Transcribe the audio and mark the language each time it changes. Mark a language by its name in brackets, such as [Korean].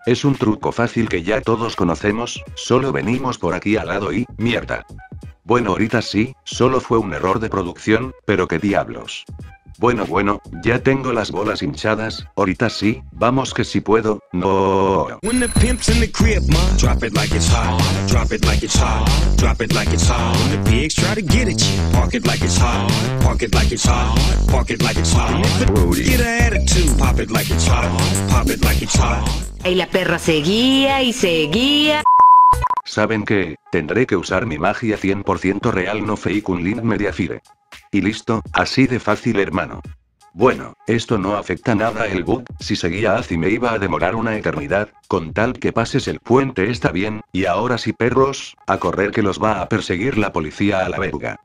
[Spanish] Es un truco fácil que ya todos conocemos, solo venimos por aquí al lado y, mierda. Bueno, ahorita sí, solo fue un error de producción, pero qué diablos. Bueno, ya tengo las bolas hinchadas, ahorita sí, vamos que si puedo, no. [English] When the pimp's in the crib, ma, drop it like it's hot, drop it like it's hot, drop it like it's hot. When the pigs try to get at you, park it like it's hot, park it like it's hot, park it like it's hot. Get an attitude, pop it like it's hot, pop it like it's hot. [Spanish] Y la perra seguía y seguía. ¿Saben qué? Tendré que usar mi magia 100% real, no fake, un link mediafire. Y listo, así de fácil, hermano. Bueno, esto no afecta nada el bug, si seguía así me iba a demorar una eternidad, con tal que pases el puente está bien, y ahora sí, perros, a correr que los va a perseguir la policía a la verga.